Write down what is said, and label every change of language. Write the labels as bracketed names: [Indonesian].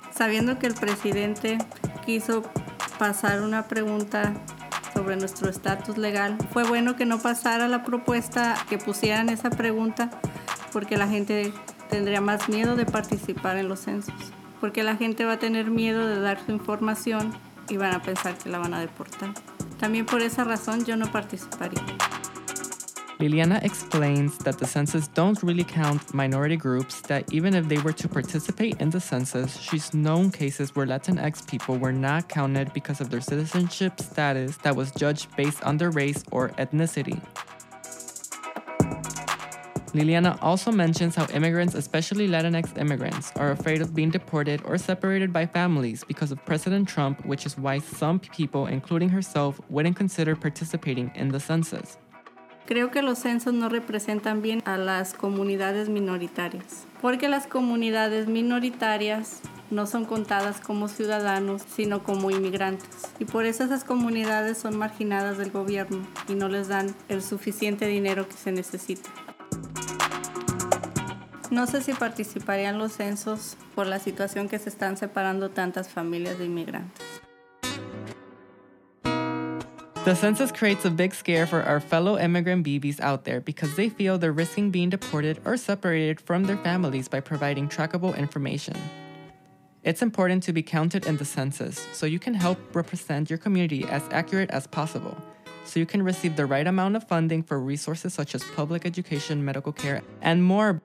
[Spanish] Sabiendo que el presidente quiso pasar una pregunta sobre nuestro estatus legal, fue bueno que no pasara la propuesta, que pusieran esa pregunta, porque la gente tendría más miedo de participar en los censos, porque la gente va a tener miedo de dar su información y van a pensar que la van a deportar. También por esa razón yo no participaría. [English] Liliana explains that the census don't really count minority groups, that even if they were to participate in the census, she's known cases where Latinx people were not counted because of their citizenship status that was judged based on their race or ethnicity. Liliana also mentions how immigrants, especially Latinx immigrants, are afraid of being deported or separated by families because of President Trump, which is why some people, including herself, wouldn't consider participating in the census. [Spanish] Creo que los censos no representan bien a las comunidades minoritarias, porque las comunidades minoritarias no son contadas como ciudadanos, sino como inmigrantes. Y por eso esas comunidades son marginadas del gobierno y no les dan el suficiente dinero que se necesita. No sé si participarían los censos por la situación que se están separando tantas familias de inmigrantes. [English] The census creates a big scare for our fellow immigrant babies out there because they feel they're risking being deported or separated from their families by providing trackable information. It's important to be counted in the census so you can help represent your community as accurate as possible, so you can receive the right amount of funding for resources such as public education, medical care, and more.